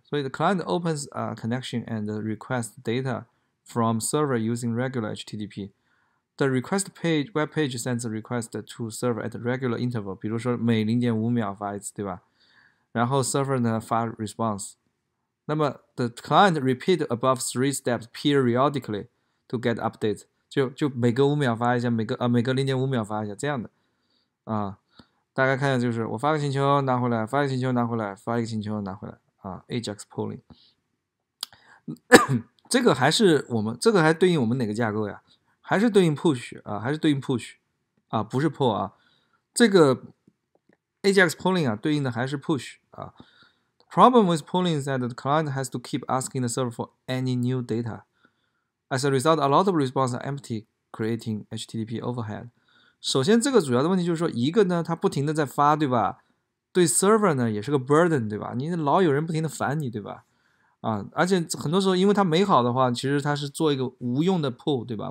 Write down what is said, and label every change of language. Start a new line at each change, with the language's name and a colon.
Chinese: 所以
English: the client opens a connection and requests data from server using regular HTTP. The request page web page sends a request to server at a regular interval.
Chinese: 比如说每0.5秒发一次，对吧？然后 server 呢发 response。那么
English: the client repeat above three steps periodically to get update.
Chinese: 就每隔5秒发一下，每隔0.5秒发一下，这样的大概看一下，就是我发个请求拿回来，发个请求拿回来，发一个请求拿回来，AJAX polling，这个还是我们这个还对应我们哪个架构呀？还是对应 push 啊？还是对应 push 啊？不是 pull 啊？这个 AJAX polling 啊，对应的还是 push 啊？
English: Problem with polling is that the client has to keep asking the server for any new data. As a result, a lot of response are empty, creating HTTP overhead.
Chinese: 首先，这个主要的问题就是说，一个呢，它不停的在发，对吧？对 server 呢也是个 burden，对吧？你老有人不停的烦你，对吧？而且很多时候，因为它没好的话，其实它是做一个无用的 pull，对吧？